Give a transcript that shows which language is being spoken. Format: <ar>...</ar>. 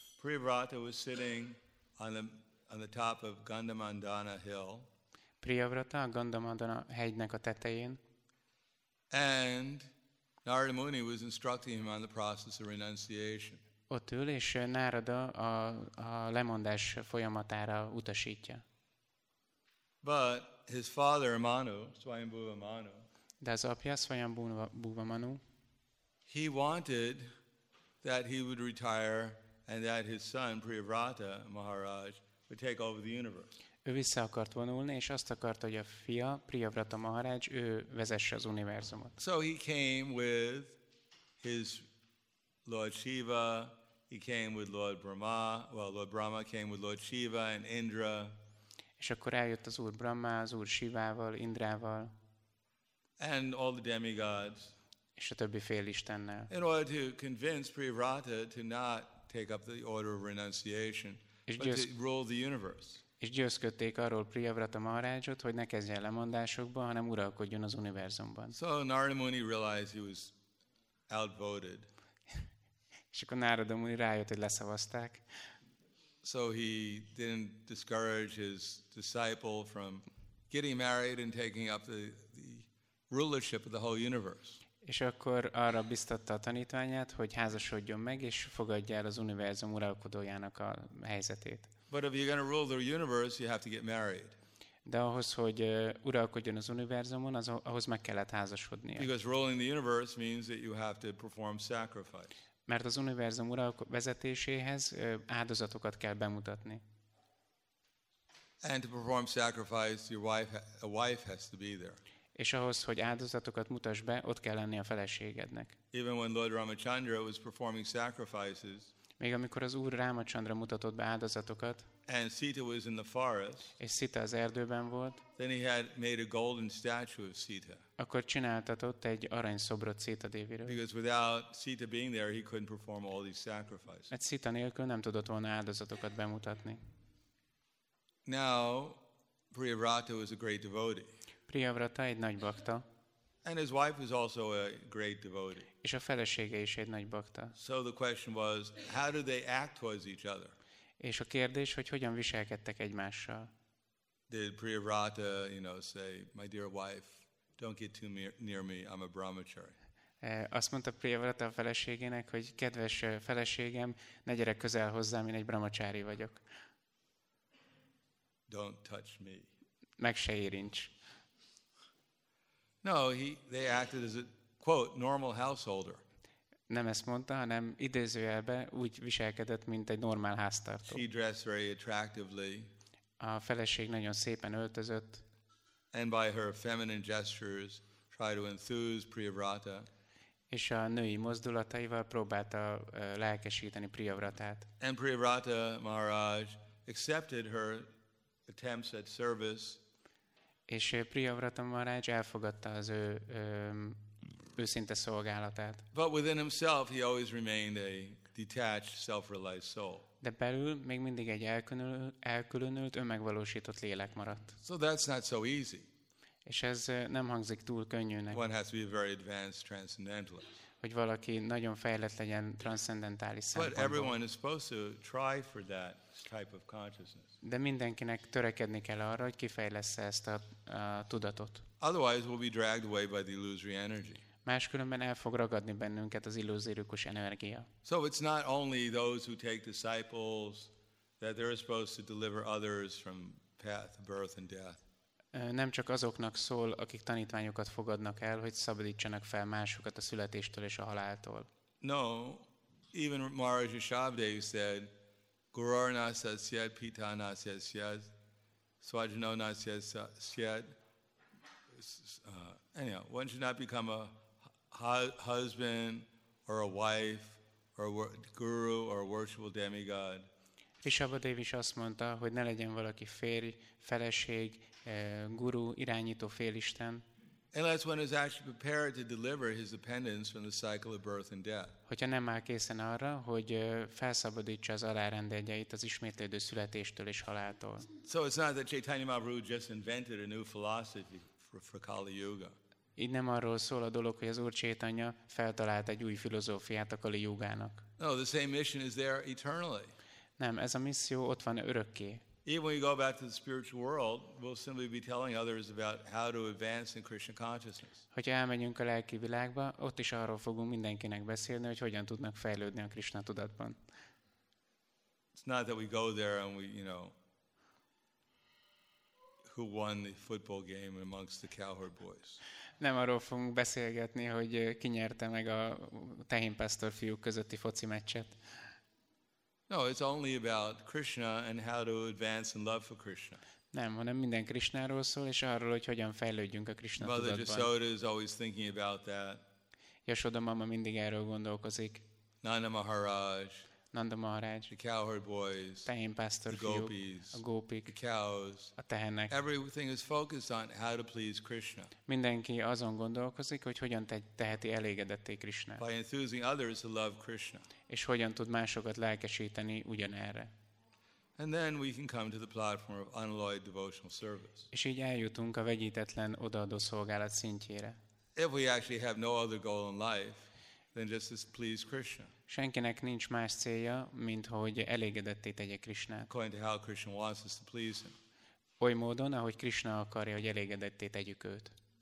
<en>Priyavrata was sitting on the top of Gandamandana Hill.</en> <hu>Priyavrata, a Gandamandana hegynek a tetején.</hu> <en>And Narada Muni was instructing him on the process of renunciation.</en> <hu>Ott ül, és Narada a lemondás folyamatára utasítja.</hu> <en>But his father Manu, Swayambhuva Manu.</en> <hu>De az apja Swayambhuva Manu.</hu> <en>He wanted that he would retire and that his son Priyavrata Maharaj would take over the universe.</en> <hu>Ő vissza akart vonulni, és azt akart, hogy a fia, Priyavrata Maharaj, ő vezesse az univerzumot.</hu> <en>So he came with his Lord Shiva, he came with Lord Brahma, well, Lord Brahma came with Lord Shiva and Indra.</en> <hu>És akkor eljött az Úr Brahma, az Úr Shivával, Indrával.</hu> <en>And all the demigods.</en> <hu>És a többi félistennel.</hu> <en>In order to convince Priyavrata to not take up the order of renunciation, but to rule the universe.</en> <hu>És győzködték arról Priyavrata Maharajot, hogy ne kezdjen lemondásokba, hanem uralkodjon az univerzumban.</hu> <en>So Narada Muni realized he was outvoted.</en> <hu>És akkor Narada Muni rájött, hogy leszavazták.</hu> <en>So he didn't discourage his disciple from getting married and taking up the rulership of the whole universe.</en> <hu>És akkor arra biztatta a tanítványát, hogy házasodjon meg és fogadja el az univerzum uralkodójának a helyzetét.</hu> <en>But if you're going to rule the universe, you have to get married.</en> <hu>De ahhoz, hogy uralkodjon az univerzumon, az ahhoz meg kellett házasodnia.</hu> <en>Because ruling the universe means that you have to perform sacrifice.</en> <hu>Mert az univerzum uralkodásához áldozatokat kell bemutatni.</hu> <en>And to perform sacrifice, your wife, a wife has to be there.</en> <hu>És ahhoz, hogy áldozatokat mutass be, ott kell lenni a feleségednek.</hu> <en>Even when Lord Ramachandra was performing sacrifices,</en> <hu>még amikor az Úr Rámacsandra mutatott be áldozatokat,</hu> <en>and Sita was in the forest,</en> <hu>és Sita az erdőben volt,</hu> <en>then he had made a golden statue of Sita.</en> <hu>Akkor csináltatott egy aranyszobrot Sita déviről.</hu> <en>Because without Sita being there, he couldn't perform all these sacrifices.</en> <hu>Mert Sita nélkül nem tudott volna áldozatokat bemutatni.</hu> <en>Now, Priyavrata was a great devotee.</en> <hu>Priyavrata egy nagy bakta.</hu> <en>And his wife was also a great devotee.</en> <hu>És a felesége is egy nagy bakta.</hu> <en>So the question was, how do they act towards each other?</en> <hu>És a kérdés, hogy hogyan viselkedtek egymással?</hu> <en>Did Priyavrata, you know, say, my dear wife, don't get too near me, I'm a brahmachari.</en> <hu>Azt mondta Priyavrata a feleségének, hogy kedves feleségem, ne gyere közel hozzám, én egy brahmachari vagyok.</hu> <en>Don't touch me.</en> <hu>Meg se érints.</hu> <en>No, they acted as a quote normal householder.</en> <hu>Nem ezt mondta, hanem idézőjelbe úgy viselkedett, mint egy normál háztartó.</hu> <en>She dressed very attractively.</en> <hu>A feleség nagyon szépen öltözött.</hu> <en>And by her feminine gestures, tried to enthuse Priyavrata.</en> <hu>És a női mozdulataival próbálta lelkesíteni Priyavratát.</hu> <en>And Priyavrata Maharaj accepted her attempts at service.</en> <hu>És Priyavrata Maharaj elfogadta az ő őszinte szolgálatát.</hu> <en>But within himself he always remained a detached, self-realized soul.</en> <hu>De belül még mindig egy elkülönült, önmegvalósított lélek maradt.</hu> <en>So that's not so easy.</en> <hu>És ez nem hangzik túl könnyűnek.</hu> <en>One has to be a very advanced transcendentalist.</en> <hu>Hogy valaki nagyon fejlett legyen transzcendentális szempontból.</hu> <en>But everyone is supposed to try for that type of consciousness.</en> <hu>De mindenkinek törekedni kell arra, hogy kifejlessze ezt a tudatot.</hu> <en>Otherwise we'll be dragged away by the illusory energy.</en> <hu>Máskülönben el fog ragadni bennünket az illúziós energia.</hu> <en>So it's not only those who take disciples that they're supposed to deliver others from path, birth and death.</en> <hu>Nem csak azoknak szól, akik tanítványokat fogadnak el, hogy szabadítsanak fel másokat a születéstől és a haláltól.</hu> <en>No, even Maharaj Yashovdev said,</en> <sa>Gurur nasyasyat, pita nasyasyat, svajano nasyasyat.</sa> <en>Anyhow, one should not become a husband or a wife or a guru or a worshipful demigod.</en> <hu>Yashovdev is azt mondta, hogy ne legyen valaki férj, feleség, guru, irányító félisten.</hu> <en>Unless one is actually prepared to deliver his dependents from the cycle of birth and death.</en> <hu>Hogyha nem áll készen arra, hogy felszabadítsa az alárendeljeit az ismétlődő születéstől és haláltól.</hu> <en>So it's not that Chaitanya Mahaprabhu just invented a new philosophy for Kali Yuga.</en> <hu>Így nem arról szól a dolog, hogy az Úr Chaitanya feltalált egy új filozófiát a Kali Yugának.</hu> <en>No, the same mission is there eternally.</en> <hu>Nem, ez a misszió ott van örökké.</hu> <en>Even when we go back to the spiritual world, we'll simply be telling others about how to advance in Krishna consciousness.</en> <hu>Hogyha elmegyünk a lelki világba, ott is arról fogunk mindenkinek beszélni, hogy hogyan tudnak fejlődni a Krishna tudatban.</hu> <en>It's not that we go there and we, you know, who won the football game amongst the cowherd boys.</en> <hu>Nem arról fogunk beszélgetni, hogy ki nyerte meg a tehénpásztor fiúk közötti foci meccset.</hu> <en>No, it's only about Krishna and how to advance in love for Krishna.</en> <hu>Nem, hanem minden Krishnáról szól, és arról, hogy hogyan fejlődjünk a Krishna tudatban.</hu> <en>Mother Jasoda is always thinking about that.</en> <hu>Yashoda mama mindig erről gondolkozik.</hu> <en>Nanda Maharaj.</en> <hu>Nanda Maharaj.</hu> <en>The cowherd boys.</en> <hu>Tehén pásztor fiúk. Gopis. A gópik.</hu> <en>The cows.</en> <hu>A tehenek.</hu> <en>Everything is focused on how to please Krishna.</en> <hu>Mindenki azon gondolkozik, hogy hogyan teheti elégedetté Krishnát.</hu> <en>By enthusing others to love Krishna.</en> <hu>És hogyan tud másokat lelkesíteni ugyanerre.</hu> <en>And then we can come to the platform of unalloyed devotional service.</en> <hu>És így eljutunk a vegyítetlen odaadó szolgálat szintjére.</hu> <en>If we actually have no other goal in life than just to please Krishna.</en> <hu>Senkinek nincs más célja, mint hogy elégedetté tegye Krishnát.</hu> <en>According to how Krishna wants us to please him.</en> <hu>Oly módon, ahogy Krishna akarja, hogy elégedetté tegyük őt.</hu>